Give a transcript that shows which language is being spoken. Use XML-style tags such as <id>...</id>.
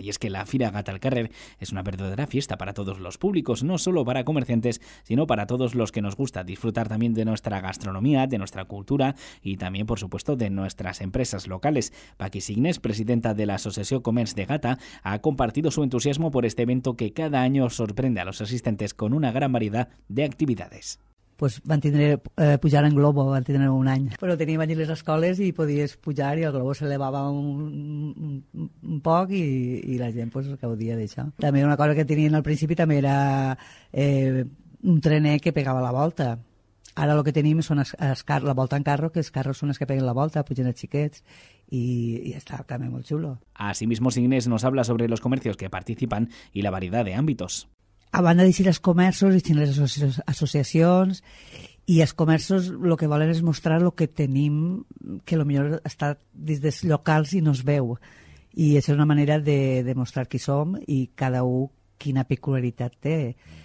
<es>Y es que la Fira Gata al Carrer es una verdadera fiesta para todos los públicos, no solo para comerciantes, sino para todos los que nos gusta disfrutar también de nuestra gastronomía, de nuestra cultura y también, por supuesto, de nuestras empresas locales. Paqui Signes, presidenta de la Associació Comerç de Gata, ha compartido su entusiasmo por este evento que cada año sorprende a los asistentes con una gran variedad de actividades.</es> <ca>Pues van tindre pujar en globo, van tindre un any. Però teníem allí les escoles i podies pujar i el globo s'elevava un poc i la gent pues gaudia d'això. També una cosa que tenien al principi també era un trenet que pegava la volta. Ara el que tenim són la volta en carro, que els carros són els que peguen la volta, pugen els xiquets, i està també molt xulo.</ca> <es>Asimismo, Signes nos habla sobre los comercios que participan y la variedad de ámbitos.</es> <ca>A banda de dir els comerços, dir les associacions, i els comerços el que volen és mostrar el que tenim, que potser està des dels locals i no es veu. I això és una manera de demostrar qui som i cada un quina peculiaritat té.</ca>